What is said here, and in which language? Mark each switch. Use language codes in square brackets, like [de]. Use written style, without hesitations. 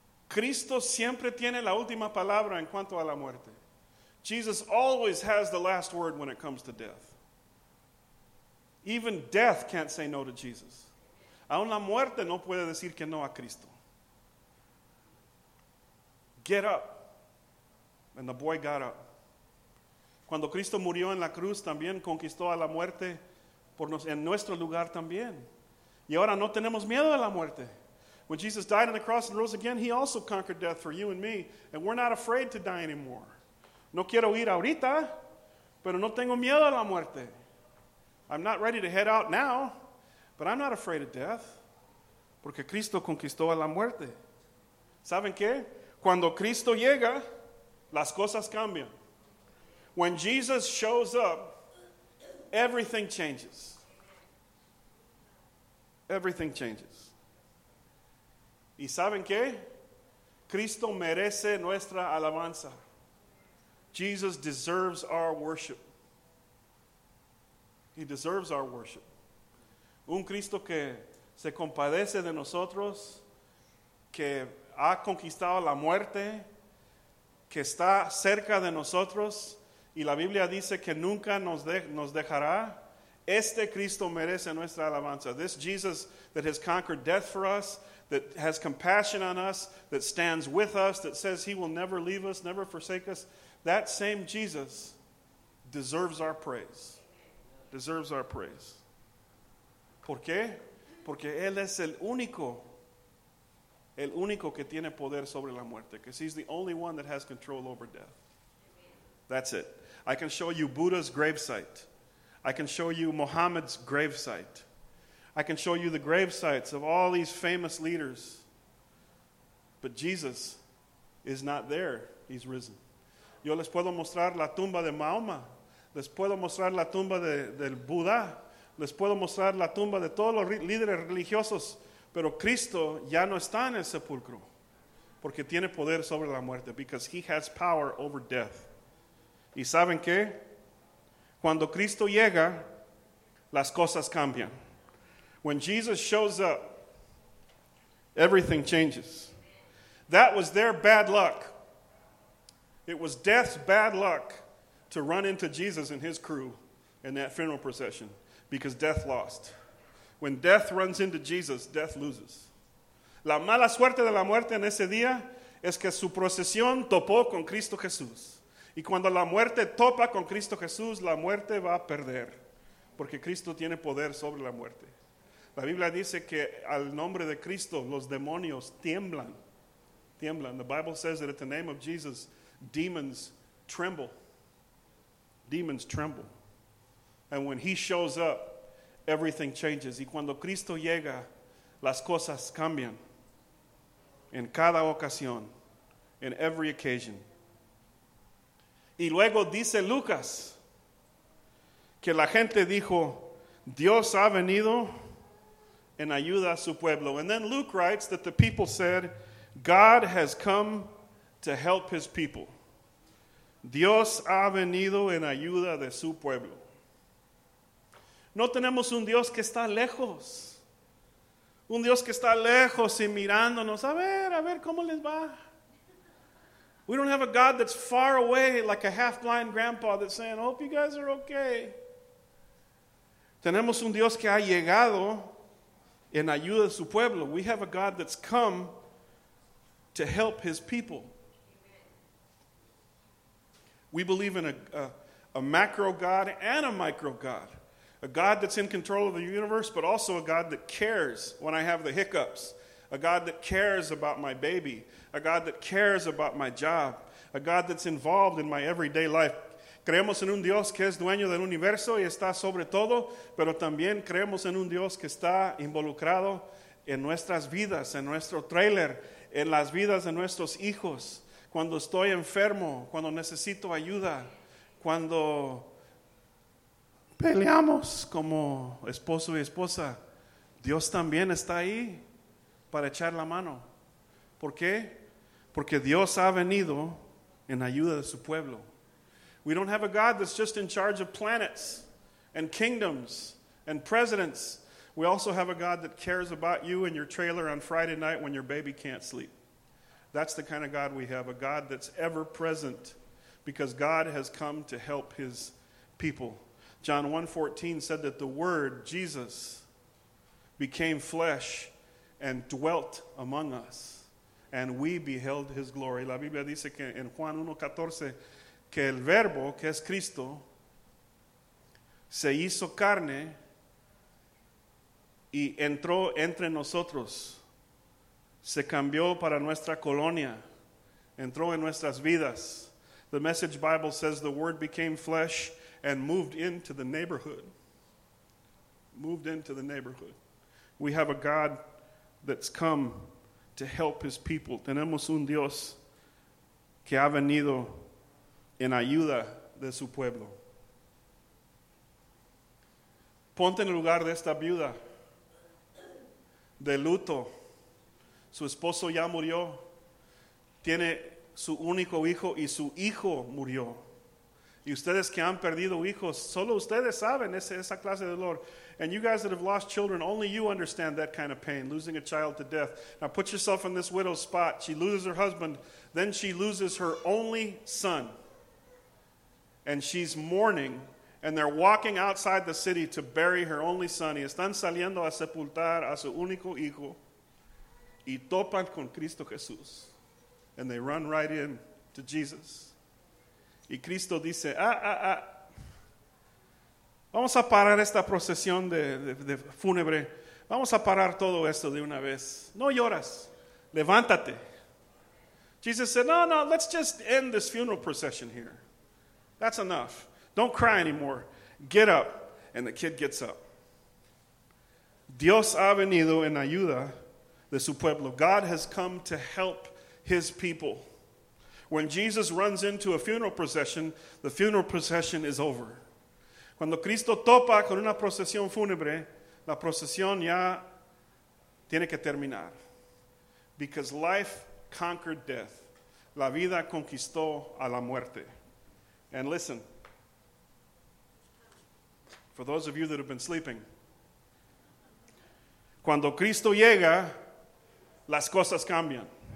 [es] Cristo siempre tiene la última palabra en cuanto a la muerte. [en] Jesus always has the last word when it comes to death. Even death can't say no to Jesus. [es] Aún la muerte no puede decir que no a Cristo. [en] Get up. And the boy got up. [es] Cuando Cristo murió en la cruz, también conquistó a la muerte por nos, en nuestro lugar también. Y ahora no tenemos miedo a la muerte. [en] When Jesus died on the cross and rose again, he also conquered death for you and me. And we're not afraid to die anymore. [es] No quiero ir ahorita, pero no tengo miedo a la muerte. [en] I'm not ready to head out now, but I'm not afraid of death. [es] Porque Cristo conquistó a la muerte. ¿Saben qué? Cuando Cristo llega, las cosas cambian. [en] When Jesus shows up, everything changes. Everything changes. [es] ¿Y saben qué? Cristo merece nuestra alabanza. [en] Jesus deserves our worship. He deserves our worship. [es] Un Cristo que se compadece de nosotros, que ha conquistado la muerte, que está cerca de nosotros, y la Biblia dice que nunca nos dejará. Este Cristo merece nuestra alabanza. [en] This Jesus that has conquered death for us, that has compassion on us, that stands with us, that says he will never leave us, never forsake us, that same Jesus deserves our praise. Deserves our praise. [es] ¿Por qué? Porque él es el único que tiene poder sobre la muerte. [en] Because he's the only one that has control over death. That's it. I can show you Buddha's gravesite. I can show you Muhammad's gravesite. I can show you the gravesites of all these famous leaders. But Jesus is not there. He's risen. [es] Yo les puedo mostrar la tumba de Mahoma. Les puedo mostrar la tumba del Buda. Les puedo mostrar la tumba de todos los líderes religiosos. Pero Cristo ya no está en el sepulcro. Porque tiene poder sobre la muerte. [en] Because he has power over death. [es] ¿Y saben qué? Cuando Cristo llega, las cosas cambian. [en] When Jesus shows up, everything changes. That was their bad luck. It was death's bad luck to run into Jesus and his crew in that funeral procession because death lost. When death runs into Jesus, death loses. [es] La mala suerte de la muerte en ese día es que su procesión topó con Cristo Jesús. Y cuando la muerte topa con Cristo Jesús, la muerte va a perder porque Cristo tiene poder sobre la muerte. La Biblia dice que al nombre de Cristo, los demonios tiemblan. Tiemblan. [en] The Bible says that at the name of Jesus, demons tremble. Demons tremble. And when he shows up, everything changes. [es] Y cuando Cristo llega, las cosas cambian. En cada ocasión. [en] In every occasion. [es] Y luego dice Lucas que la gente dijo, Dios ha venido en ayuda a su pueblo. [en] And then Luke writes that the people said, God has come to help his people. [es] Dios ha venido en ayuda de su pueblo. No tenemos un Dios que está lejos. Un Dios que está lejos y mirándonos. A ver, ¿cómo les va? [en] We don't have a God that's far away like a half-blind grandpa that's saying, I hope you guys are okay. [es] Tenemos un Dios que ha llegado en ayuda de su pueblo. [en] We have a God that's come to help his people. We believe in a macro God and a micro God. A God that's in control of the universe, but also a God that cares when I have the hiccups. A God that cares about my baby. A God that cares about my job. A God that's involved in my everyday life. [es] Creemos en un Dios que es dueño del universo y está sobre todo, pero también creemos en un Dios que está involucrado en nuestras vidas, en nuestro trailer, en las vidas de nuestros hijos. Cuando estoy enfermo, cuando necesito ayuda, cuando peleamos como esposo y esposa, Dios también está ahí para echar la mano. ¿Por qué? Porque Dios ha venido en ayuda de su pueblo. [en] We don't have a God that's just in charge of planets and kingdoms and presidents. We also have a God that cares about you and your trailer on Friday night when your baby can't sleep. That's the kind of God we have, a God that's ever present because God has come to help his people. John 1:14 said that the Word, Jesus, became flesh and dwelt among us, and we beheld his glory. [es] La Biblia dice que en Juan 1:14 que el Verbo, que es Cristo, se hizo carne y entró entre nosotros. Se cambió para nuestra colonia. Entró en nuestras vidas. [en] The Message Bible says the Word became flesh and moved into the neighborhood. Moved into the neighborhood. We have a God that's come to help his people. [es] Tenemos un Dios que ha venido en ayuda de su pueblo. Ponte en el lugar de esta viuda de luto. Su esposo ya murió. Tiene su único hijo y su hijo murió. Y ustedes que han perdido hijos, solo ustedes saben esa clase de dolor. [en] And you guys that have lost children, only you understand that kind of pain, losing a child to death. Now put yourself in this widow's spot. She loses her husband, then she loses her only son. And she's mourning, and they're walking outside the city to bury her only son. [es] Y están saliendo a sepultar a su único hijo, y topan con Cristo Jesús. [en] And they run right in to Jesus. [es] Y Cristo dice, vamos a parar esta procesión de fúnebre. Vamos a parar todo esto de una vez. No lloras. Levántate. [en] Jesus said, no, let's just end this funeral procession here. That's enough. Don't cry anymore. Get up. And the kid gets up. [es] Dios ha venido en ayuda de su pueblo. [en] God has come to help his people. When Jesus runs into a funeral procession, the funeral procession is over. [es] Cuando Cristo topa con una procesión fúnebre, la procesión ya tiene que terminar. [en] Because life conquered death. [es] La vida conquistó a la muerte. [en] And listen, for those of you that have been sleeping, [es] cuando Cristo llega, las cosas cambian.